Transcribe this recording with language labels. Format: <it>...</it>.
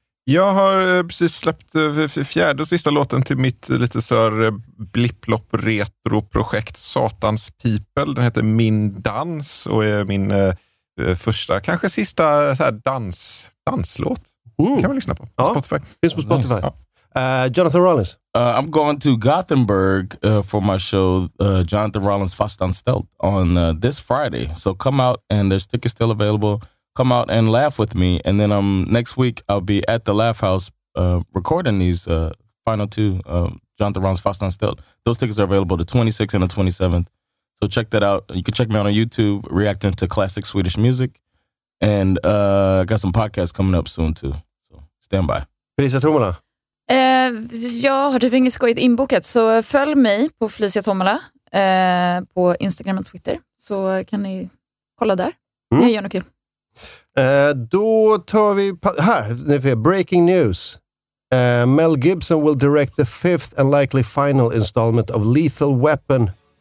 <sv>Jag har precis släppt fjärde och sista låten till mitt lite sör blipplopp retro projekt Satans Pipel. Den heter Min Dans och är min första, kanske sista så här danslåt. Kan man lyssna på. Spotify. Finns på Spotify. Nice. Jonathan Rollins?</sv> <en>I'm going to Gothenburg for my show Jonathan Rollins Fast on Stealth on this Friday. So come out, and there's tickets still available. Come out and laugh with me, and then next week I'll be at the Laugh House recording these final two Jonathan Rollins Fast on Stealth. Those tickets are available the 26th and the 27th. So check that out. You can check me out on YouTube reacting to classic Swedish music, and I got some podcasts coming up soon too. So stand by.</en> <sv>Felicia Tomala. Jag har typ inget skojigt inbokat, så följ mig på Felicia Tomala på Instagram och Twitter, så kan ni kolla där. Det gör något kul. Då tar vi här, nu får jag, breaking news.</sv> <en>Mel Gibson will direct the fifth and likely final installment of Lethal Weapon.</en>